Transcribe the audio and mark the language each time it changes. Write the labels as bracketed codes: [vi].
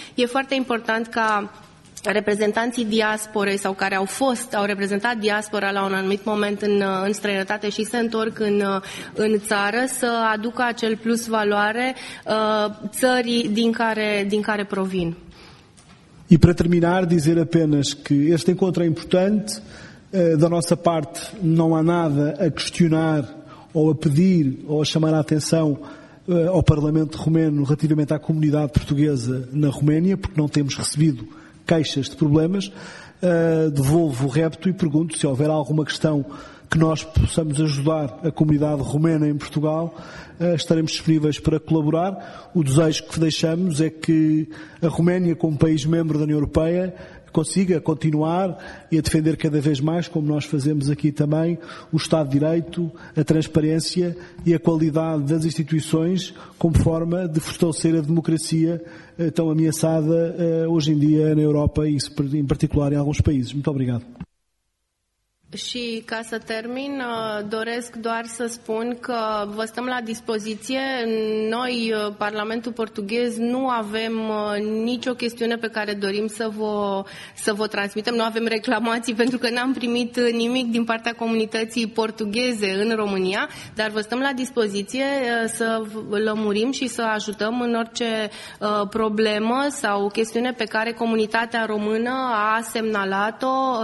[ro] E foarte important ca reprezentanții diasporei sau care au reprezentat diaspora la un anumit moment în străinătate și se întorc în țară, să aducă acel plus valoare țării din care provin. [pt] E para terminar, dizer apenas que este encontro é importante. Da nossa parte, não há nada a questionar ou a pedir ou a chamar a atenção ao Parlamento Romeno relativamente à comunidade portuguesa na Roménia, porque não temos recebido queixas de problemas. Devolvo o repto e pergunto se houver alguma questão que nós possamos ajudar a comunidade romena em Portugal, estaremos disponíveis para colaborar. O desejo que deixamos é que a Roménia, como país membro da União Europeia, consiga continuar e a defender cada vez mais, como nós fazemos aqui também, o Estado de Direito, a transparência e a qualidade das instituições como forma de fortalecer a democracia tão ameaçada hoje em dia na Europa e, em particular, em alguns países. Muito obrigado. [ro] Și ca să termin, doresc doar să spun că vă stăm la dispoziție. Noi, Parlamentul Portughez, nu avem nicio chestiune pe care dorim să vă transmitem. Nu avem reclamații pentru că n-am primit nimic din partea comunității portugheze în România, dar vă stăm la dispoziție să lămurim și să ajutăm în orice problemă sau chestiune pe care comunitatea română a semnalat-o,